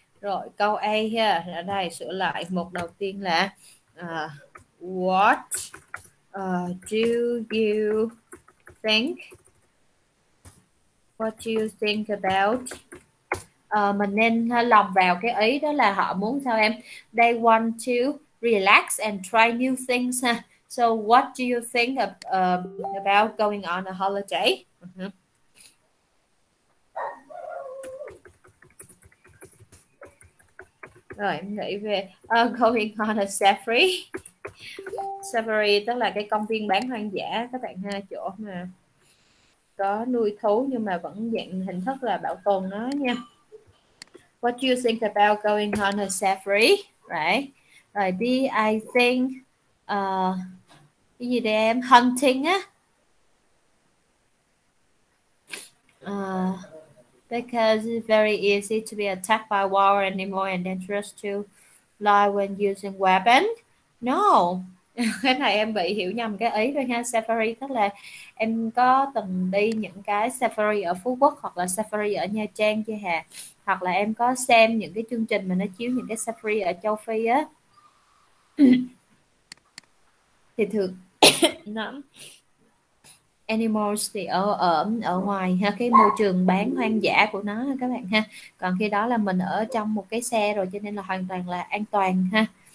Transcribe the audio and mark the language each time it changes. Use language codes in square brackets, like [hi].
[vi] Rồi câu A ha, ở đây sửa lại một đầu tiên là [en] what do you think. What you think about? [vi] Mình nên lòng vào cái ý đó là họ muốn sao em? [en] They want to relax and try new things. Huh? So what do you think about going on a holiday? [vi] Rồi em nghĩ về [en] going on a safari. [vi] Safari tức là cái công viên bán hoang dã các bạn ha, chỗ mà có nuôi thú nhưng mà vẫn dạng hình thức là bảo tồn nó nha. [en] What do you think about going on a safari? [vi] Right. Rồi right. B, [en] I think [vi] cái gì đây em? Hunting á. [en] Because it's very easy to be attacked by wild animal and dangerous to life when using weapon. No. [vi] Cái này em bị hiểu nhầm cái ý rồi nha. Safari tức là em có từng đi những cái safari ở Phú Quốc hoặc là safari ở Nha Trang chưa hà, hoặc là em có xem những cái chương trình mà nó chiếu những cái safari ở châu Phi á thì thường lắm animals thì ở ngoài ha, cái môi trường bán hoang dã của nó các bạn ha, còn khi đó là mình ở trong một cái xe rồi cho nên là hoàn toàn là an toàn ha.